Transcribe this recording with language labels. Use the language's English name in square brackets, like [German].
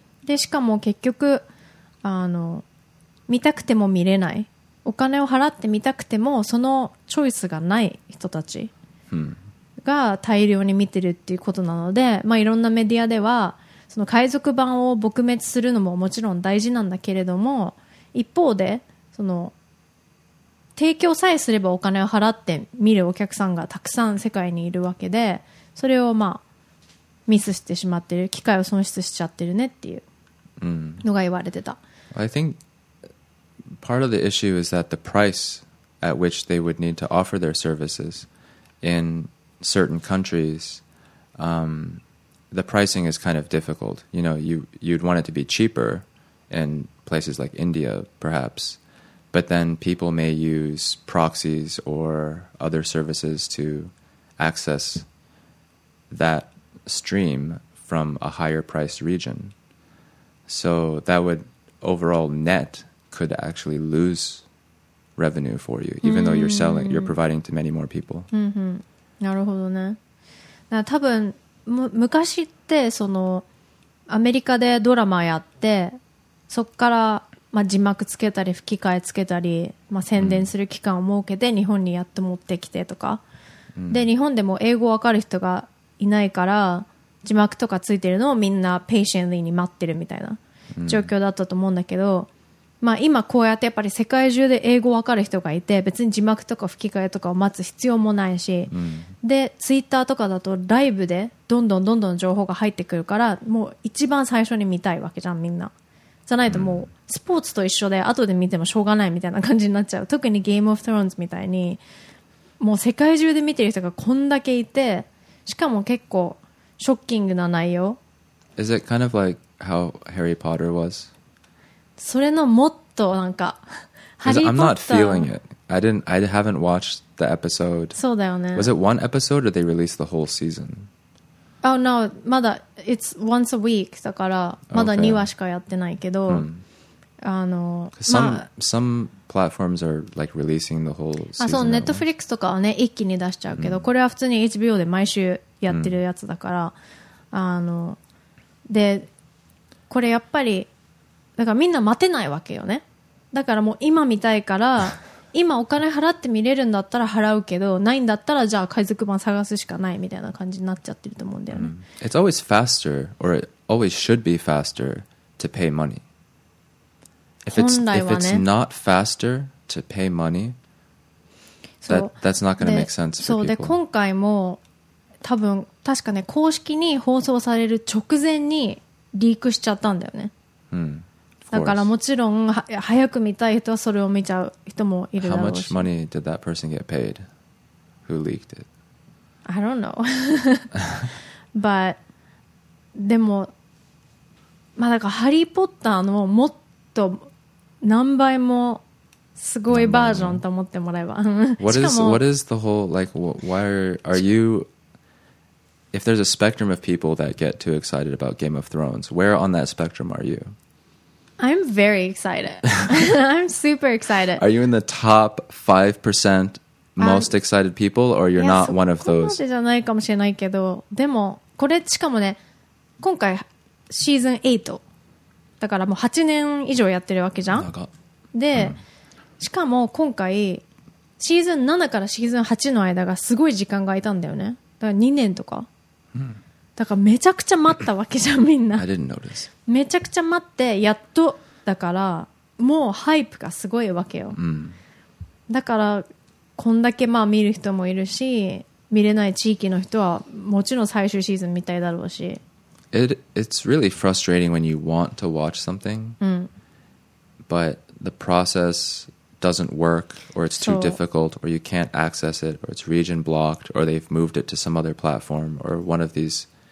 [Japanese] でしかも結局あの見たくても見れない、お金を払って見たくてもそのチョイスがない人たちが大量に見てるっていうことなので、まあ、いろんなメディアではその海賊版を撲滅するのももちろん大事なんだけれども、一方でその提供さえすればお金を払って見るお客さんがたくさん世界にいるわけで、それをまあミスしてしまってる、機会を損失しちゃってるねっていうのが言われてた。 [English] I thinkPart of the issue is that the price at which they would need to offer their services in certain countries, the pricing is kind of difficult. You know, you'd want it to be cheaper in places like India, perhaps, but then people may use proxies or other services to access that stream from a higher priced region. So that would overall net... could actually lose revenue for you, even though you're selling, you're providing to many more people. [Japanese] なるほどね。だから多分昔ってそのアメリカでドラマやって、そっから、まあ、字幕つけたり吹き替えつけたり、まあ、宣伝する期間を設けて日本にやって持ってきてとか、で日本でも英語わかる人がいないから字幕とかついてるのをみんなペイシェンリーに待ってるみたいな状況だったと思うんだけど、まあ、今こうやってやっぱり世界中で英語わかる人がいて、別に字幕とか吹き替えとかを待つ必要もないし、でツイッターとかだとライブでどんどんどんどん情報が入ってくるから、もう一番最初に見たいわけじゃん、みんな。じゃないともうスポーツと一緒で後で見てもしょうがないみたいな感じになっちゃう。特にゲームオフトローンズみたいにもう世界中で見てる人がこんだけいて、しかも結構ショッキングな内容。 [English] Is it kind of like how Harry Potter was? [Japanese] それのもっとなんか、 [English] I'm not feeling it. I haven't watched the episode. [Japanese] そうだよね。 [English] Was it one episode or they released the whole season? Oh no, [Japanese] まだ [English] it's once a week [Japanese] だからまだ2話しかやってないけど、あの、 [English] some platforms are like releasing the whole season. [Japanese] あ、そう、Netflix とかはね一気に出しちゃうけど、これは普通に HBO で毎週やってるやつだから、あの、で、これやっぱり。だからみんな待てないわけよね。だからもう今見たいから、今お金払って見れるんだったら払うけど、ないんだったらじゃあ海賊版探すしかないみたいな感じになっちゃってると思うんだよね。 Mm. [English] It's always faster, or it always should be faster to pay money. If it's, [Japanese] 本来はね。 [English] If it's not faster to pay money, that's not going to make sense for people. [Japanese] そうで今回も多分確かね公式に放送される直前にリークしちゃったんだよね。 Mm. だからもちろん早く見たい人はそれを見ちゃう人もいるだろうし。 [English] How much money did that person get paid who leaked it? I don't know. But [Japanese] でもまあだからハリー・ポッターのもっと何倍もすごいバージョンと思ってもらえば。 [English] What is the whole like? Why are you? If there's a spectrum of people that get too excited about Game of Thrones, where on that spectrum are you? I'm very excited. I'm super excited. Are you in the top 5% most excited people, or you're not one of those? [Japanese] そこまでじゃないかもしれないけど、でもこれしかもね、今回シーズン8だからもう8年以上やってるわけじゃん。で、うん、しかも今回シーズン7からシーズン8の間がすごい時間が空いたんだよね。だから2年とか。うん、だからめちゃくちゃ待ったわけじゃんみんな。 [English] I didn't notice. [Japanese] めちゃくちゃ待ってやっとだからもうハイプがすごいわけよ、うん、だからこんだけまあ見る人もいるし見れない地域の人はもちろん最終シーズン見たいだろうし [English] It's really frustrating when you want to watch something、うん、 but the process doesn't work or it's too difficult or you can't access it or it's region blocked or they've moved it to some other platform or one of these